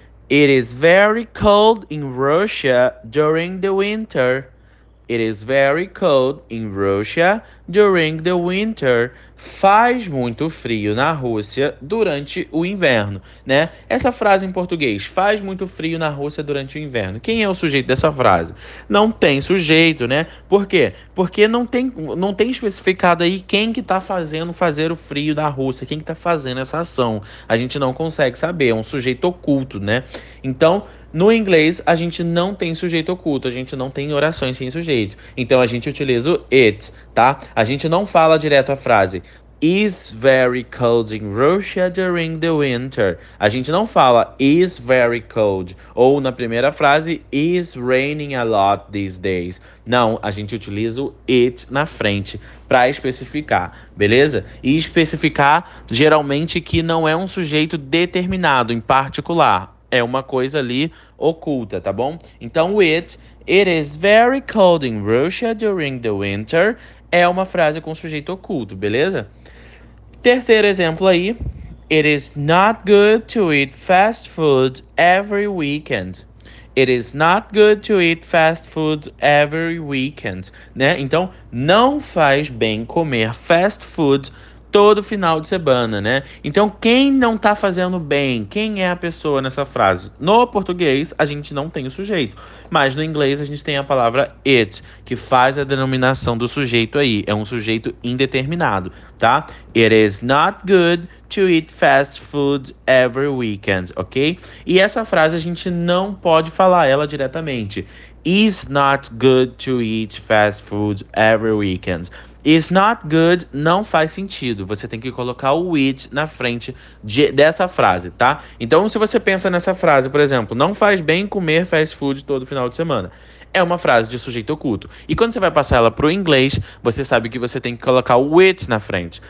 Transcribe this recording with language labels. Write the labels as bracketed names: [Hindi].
[English] It is very cold in Russia during the winter. It is very cold in Russia during the winter. [Portuguese] Faz muito frio na Rússia durante o inverno, né? Essa frase em português, faz muito frio na Rússia durante o inverno. Quem é o sujeito dessa frase? Não tem sujeito, né? Por quê? Porque não tem especificado aí quem que tá fazer o frio na Rússia, quem que tá fazendo essa ação. A gente não consegue saber, é um sujeito oculto, né? Então, no inglês, a gente não tem sujeito oculto, a gente não tem orações sem sujeito. Então, a gente utiliza o it, tá? A gente não fala direto a frase. [English] Is very cold in Russia during the winter. [Portuguese] A gente não fala [English] is very cold. [Portuguese] Ou na primeira frase, [English] is raining a lot these days. [Portuguese] Não, a gente utiliza o it na frente para especificar, beleza? E especificar geralmente que não é um sujeito determinado, em particular. É uma coisa ali oculta, tá bom? Então, o [English] it is very cold in Russia during the winter [Portuguese] é uma frase com sujeito oculto, beleza? Terceiro exemplo aí. [English] It is not good to eat fast food every weekend. It is not good to eat fast food every weekend, né? [Portuguese] Então, não faz bem comer fast food todo final de semana, né? Então, quem não tá fazendo bem? Quem é a pessoa nessa frase? No português, a gente não tem o sujeito. Mas no inglês, a gente tem a palavra it, que faz a denominação do sujeito aí. É um sujeito indeterminado, tá? [English] It is not good to eat fast food every weekend, ok? [Portuguese] E essa frase, a gente não pode falar ela diretamente. [English] Is not good to eat fast food every weekend. Is not good [Portuguese] não faz sentido. Você tem que colocar o it na frente dessa frase, tá? Então, se você pensa nessa frase, por exemplo, não faz bem comer fast food todo final de semana. É uma frase de sujeito oculto. E quando você vai passar ela para o inglês, você sabe que você tem que colocar o it na frente.